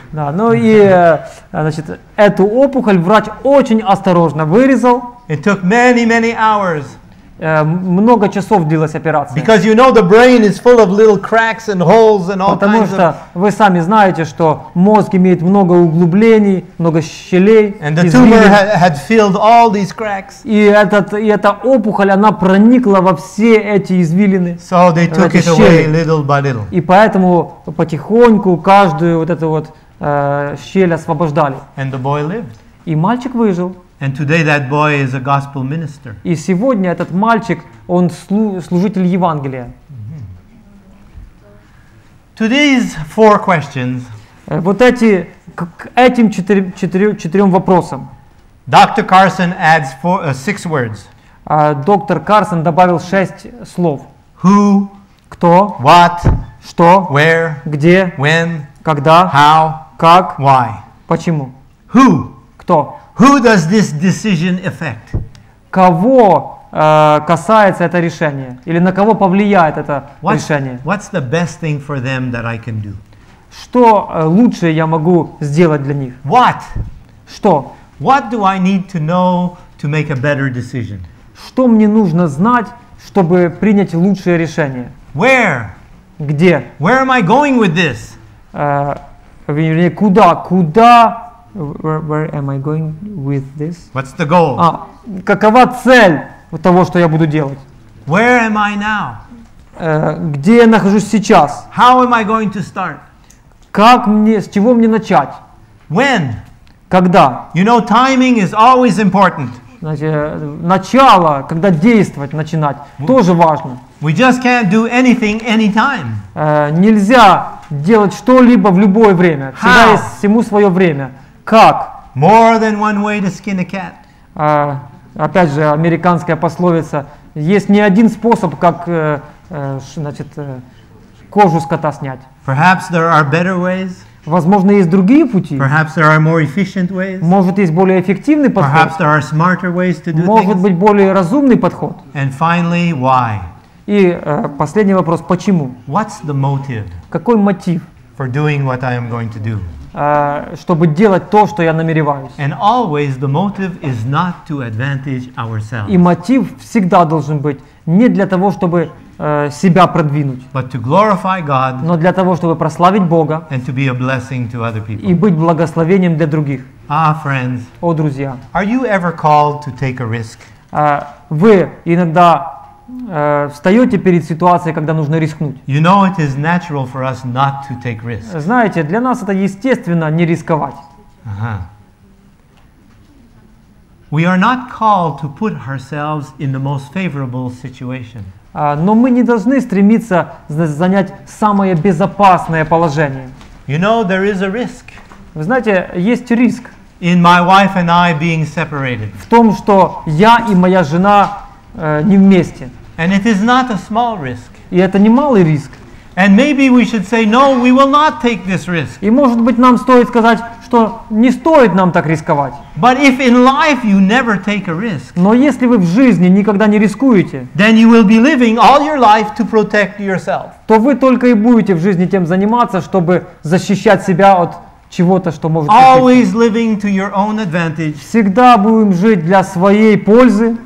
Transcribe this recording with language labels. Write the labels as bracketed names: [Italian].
[Russian] Да, ну и значит, эту опухоль врач очень осторожно вырезал. [English] It took many, many hours. [Russian] Много часов длилась операция. [English] Because you know the brain is full of little cracks and holes and all kinds [Russian] Потому что вы сами знаете, что мозг имеет много углублений, много щелей. [English] And the tumor had filled all these cracks. [Russian] И эта опухоль, она проникла во все эти извилины. [English] So they took it away little by little. [Russian] И поэтому потихоньку каждую вот эту вот щель освобождали. [English] And the boy lived. [Russian] И мальчик выжил. [English] And today that boy is a gospel minister. [Russian] И сегодня этот мальчик, он служитель Евангелия. [English] To these four questions. [Russian] Вот эти к этим четырем вопросам. [English] Dr. Carson adds six words. [Russian] Доктор Карсон добавил 6 слов. [English] Who? [Russian] Кто? [English] What? [Russian] Что? [English] Where? [Russian] Где? [English] When? [Russian] Когда? [English] How? [Russian] Как? [English] Why? [Russian] Почему? [English] Who? [Russian] Кто? [English] Who does this decision affect? [Russian] Кого касается это решение? Или на кого повлияет это решение? [English] What's the best thing for them that I can do? [Russian] Что лучшее я могу сделать для них? [English] What? [Russian] Что? [English] What do I need to know to make a better decision? [Russian] Что мне нужно знать, чтобы принять лучшее решение? [English] Where? [Russian] Где? [English] Where am I going with this? [Russian] Вернее, куда? [English] Where am I going with this? What's the goal? [Russian] Какова цель того, что я буду делать? [English] Where am I now? [Russian] Где я нахожусь сейчас? [English] How am I going to start? [Russian] Как мне, с чего мне начать? [English] When? [Russian] Когда? [English] You know, timing is always important. [Russian] Значит, начало, когда действовать, начинать, тоже важно. [English] We just can't do anything anytime. [Russian] Нельзя делать что-либо в любое время. [English] How? [Russian] Всегда есть всему свое время. Как? [English] More than one way to skin a cat. [Russian] Опять же, американская пословица. Есть не один способ, как кожу с кота снять. [English] Perhaps there are better ways. [Russian] Возможно, есть другие пути. [English] Perhaps there are more efficient ways. [Russian] Может, есть более эффективный подход. [English] Perhaps there are smarter ways to do things. [Russian] Может быть, более разумный подход. [English] And finally, why? [Russian] И последний вопрос. Почему? [English] What's the motive? [Russian] Какой мотив? [English] For doing what I am going to do. [Russian] Чтобы делать то, что я намереваюсь. [English] And always the motive is not to advantage ourselves. [Russian] И мотив всегда должен быть не для того, чтобы себя продвинуть, [English] but to glorify God, [Russian] но для того, чтобы прославить Бога, [English] and to be a blessing to other people. [Russian] И быть благословением для других. [English] Ah, friends, [Russian] о, друзья, [English] are you ever called to take a risk? [Russian] Вы иногда встаете перед ситуацией, когда нужно рискнуть. [English] You know, it is natural for us not to take risks. [Russian] Знаете, для нас это естественно не рисковать. [English] We are not called to put ourselves in the most favorable situation. [Russian] Но мы не должны стремиться занять самое безопасное положение. [English] You know, there is a risk. [Russian] Вы знаете, есть риск. [English] In my wife and I being separated. [Russian] В том, что я и моя жена не вместе. [English] And it is not a small risk. [Russian] И это не малый риск. [English] And maybe we should say, no, we will not take this risk. [Russian] И может быть нам стоит сказать, что не стоит нам так рисковать. [English] But if in life you never take a risk. [Russian] Но если вы в жизни никогда не рискуете. [English] Then you will be living all your life to protect yourself. [Russian] То вы только и будете в жизни тем заниматься, чтобы защищать себя от чего-то, что может [English] Always [Russian] быть. [English] Living to your own advantage. [Russian] Всегда будем жить для своей пользы.